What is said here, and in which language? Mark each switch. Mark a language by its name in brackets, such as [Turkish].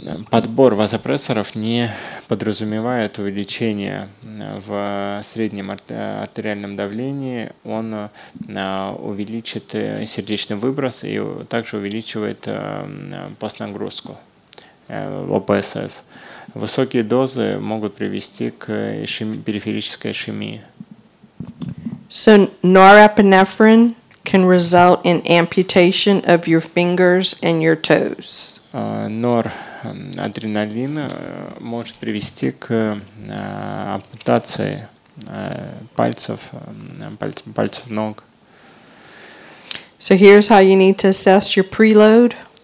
[Russian] Подбор вазопрессоров не подразумевает увеличение в среднем артериальном давлении. Он увеличит сердечный выброс и также увеличивает постнагрузку ОПСС. Высокие дозы могут привести к периферической ишемии. [English] So, norepinephrine can result in amputation of your fingers and your toes. [Russian] Норадреналин может привести к ампутации пальцев ног. [English] So here's how you need to assess your preload.